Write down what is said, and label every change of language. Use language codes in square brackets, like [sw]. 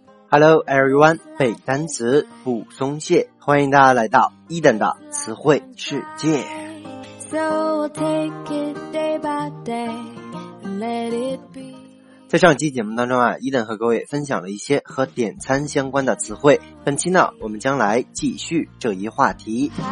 [en] Hello everyone, [zh] 背单词不松懈，欢迎大家来到一等的词汇世界。 [en] So we'll take it day by day, let it be。 [zh] 在上期节目当中啊，伊登和各位分享了一些和点餐相关的词汇，本期呢我们将来继续这一话题。